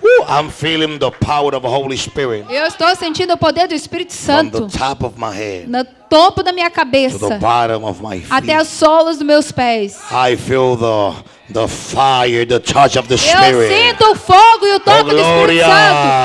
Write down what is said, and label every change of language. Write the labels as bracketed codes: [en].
[en] I'm feeling the power of the Holy Spirit. [pt] Eu estou sentindo o poder do Espírito Santo. [en] From the top of my head. [pt] No topo da minha cabeça. [en] To the bottom of my feet. [pt] Até as solas dos meus pés. [en] I feel the fire, the touch of the [pt] eu [en] Spirit. [pt] Eu sinto o fogo e o toque do Espírito Santo.